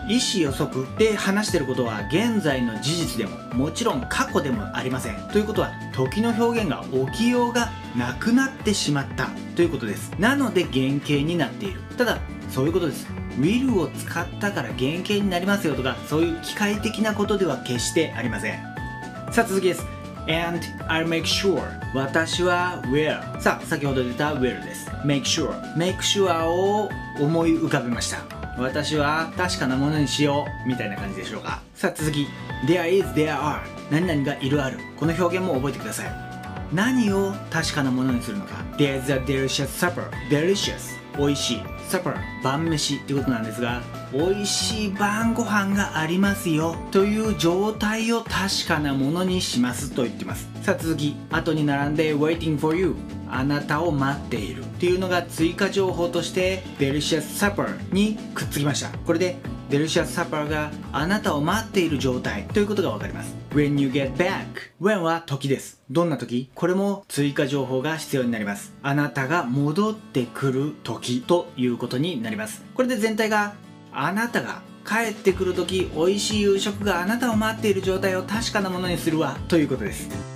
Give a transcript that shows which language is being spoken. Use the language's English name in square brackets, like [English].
[Japanese] 意思予測で話していることは現在の事実でも、もちろん過去でもありません。ということは時の表現が置きようがなくなってしまったということです。なので原型になっている。ただそういうことです。will を使ったから原型になりますよとか、そういう機械的なことでは決してありません。さあ続きです。 [English] and I'll make sure、 [Japanese] 私は will、 さあ先ほど出た will です。 make sure、 make sure を思い浮かべました。私は確かなものにしようみたいな感じでしょうか。さあ続き、 there is、 there are、 何々がいるある、この表現も覚えてください。何を確かなものにするのか。 [English] There's a delicious supper. [Japanese] Delicious、 美味しい、 supper、 晩飯ってことなんですが、美味しい晩ご飯がありますよという状態を確かなものにしますと言ってます。さあ続き、後に並んで [English] waiting for you、 [Japanese] あなたを待っているっていうのが追加情報として delicious supper にくっつきました。これで delicious supper があなたを待っている状態ということがわかります。 [English] When you get back、 [Japanese] When は時です。どんな時、これも追加情報が必要になります。あなたが戻ってくる時ということになります。これで全体が、あなたが帰ってくる時、美味しい夕食があなたを待っている状態を確かなものにするわということです。